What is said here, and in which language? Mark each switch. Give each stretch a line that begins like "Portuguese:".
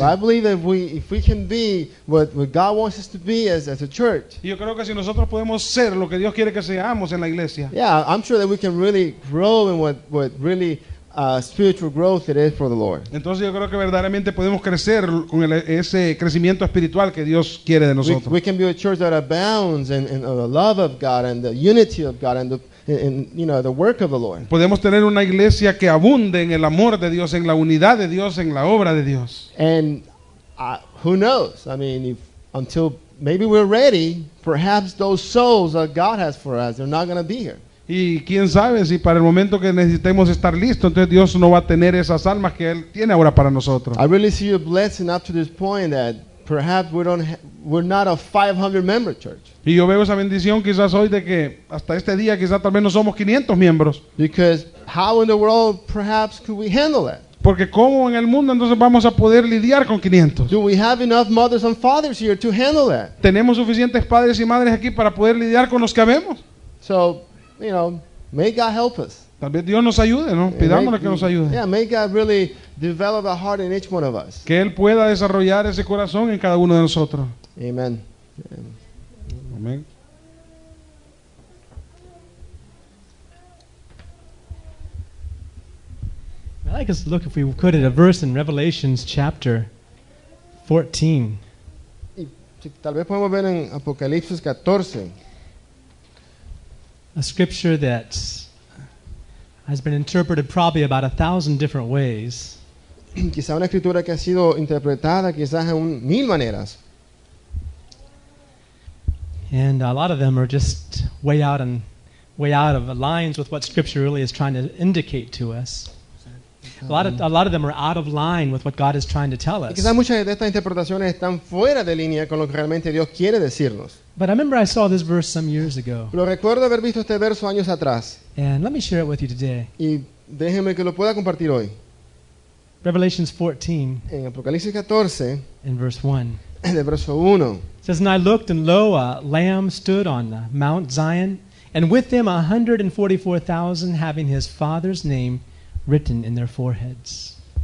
English: But I believe that if we can be what God wants us to be as a church.
Spanish: Y yo creo que si nosotros podemos ser lo que Dios quiere que seamos en la iglesia.
English: Yeah, I'm sure that we can really grow in what really spiritual growth it is for the Lord.
Spanish: Entonces yo creo que verdaderamente podemos crecer con ese crecimiento espiritual que Dios quiere de nosotros.
English: We can be a church that abounds in the love of God and the unity of God and the work of the Lord.
Spanish: Podemos tener una iglesia que abunde en el amor de Dios, en la unidad de Dios, en la obra de Dios.
English: And who knows? I mean, until maybe we're ready, perhaps those souls that God has for us, they're not going to be here.
Spanish: Y quién sabe si para el momento que necesitemos estar listo, entonces Dios no va a tener esas almas que Él tiene ahora para nosotros.
English: I really see a blessing up to this point that perhaps we're not a 500 member church.
Spanish: Y yo veo esa bendición quizás hoy de que hasta este día quizás tal vez no somos 500 miembros.
English: Because how in the world perhaps could we handle that?
Spanish: Porque cómo en el mundo entonces vamos a poder lidiar con 500?
English: Do we have enough mothers and fathers here to handle that?
Spanish: ¿Tenemos suficientes padres y madres aquí para poder lidiar con los que habemos?
English: So, you know, may God help us.
Spanish: Tal vez Dios nos ayude, ¿no? Pidámosle que nos ayude.
English: Yeah, may God really develop a heart in each one of us.
Spanish: Que Él pueda desarrollar ese corazón en cada uno de nosotros.
English: Amen.
Spanish: Amen.
English: I'd like us to look, if we could, at a verse in Revelation chapter 14.
Spanish: Tal vez podemos ver en Apocalipsis 14.
English: A scripture that has been interpreted probably about 1,000 different ways.
Spanish: Quizá una escritura que ha sido interpretada quizás en 1,000 maneras.
English: And a lot of them are just way out of alignment with what scripture really is trying to indicate to us. A lot of them are out of line with what God is trying to tell us.
Spanish: Quizás muchas de estas interpretaciones están fuera de línea con lo que realmente Dios quiere decirnos.
English: But I remember I saw this verse some years ago.
Spanish: Lo recuerdo haber visto este verso años atrás.
English: And let me share it with you today.
Spanish: Y déjeme que lo pueda compartir hoy.
English: Revelation 14.
Spanish: En Apocalipsis 14.
English: In verse 1.
Spanish: En el verso 1.
English: It says, "And I looked, and lo, a lamb stood on Mount Zion, and with him 144,000 having his father's name written in their foreheads."